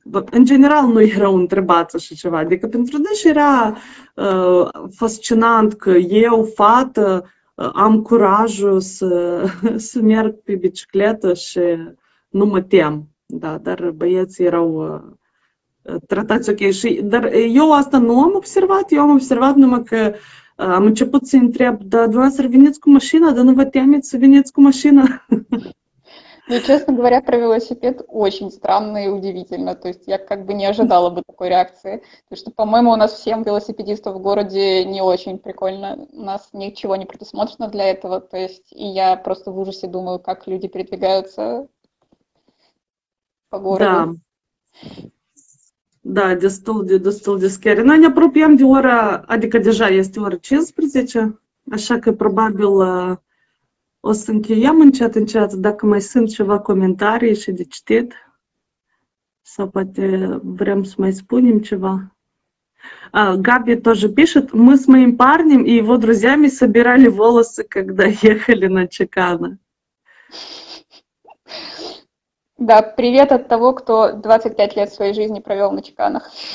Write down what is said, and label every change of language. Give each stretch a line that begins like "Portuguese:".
Romanian: în general nu erau întrebați așa ceva, adică pentru deși era fascinant că eu, fată, am curajul să merg pe bicicletă și nu mă tem, da, dar băieții erau tratați ok. Dar eu asta nu am observat, eu am observat numai că Am început să-i întreb, dar dumneavoastră veniți cu mașina, dar nu vă temeți să veniți cu mașina?
Russian: Ну, честно говоря, про велосипед очень странно и удивительно. То есть я как бы не ожидала бы такой реакции. Потому что, по-моему, у нас всем велосипедистов в городе не очень прикольно. У нас ничего не предусмотрено для этого. То есть и я просто в ужасе думаю, как люди передвигаются по городу. Да. Да,
Romanian: destul de scary. Noi ne apropiem de ora, adică deja este ora 15, așa că probabil o să încheiem încet, încet, dacă mai sunt ceva comentarii și de citit. Sau poate vrem să mai spunem ceva.
Russian: Габи тоже пишет, мы с моим парнем и его друзьями собирали волосы, когда ехали на Чекана. Да, привет от того, кто 25 лет своей жизни провел на чеканах.